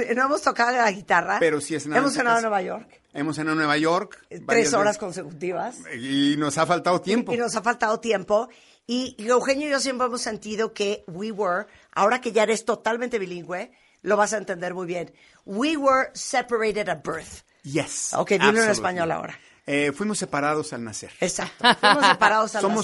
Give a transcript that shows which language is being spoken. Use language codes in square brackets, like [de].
[es] No hemos tocado la guitarra. Pero sí he cenado. Hemos cenado en Nueva York. Hemos cenado en Nueva York. 3 horas consecutivas. Y nos ha faltado tiempo. Y nos ha faltado tiempo. Y Eugenio y yo siempre hemos sentido que [en] we were, [es] ahora que ya eres totalmente bilingüe, lo vas a entender muy bien. [en] We were separated at birth. Yes. [es] Ok, dilo en español ahora. Fuimos separados al nacer. Exacto. Fuimos separados al nacer.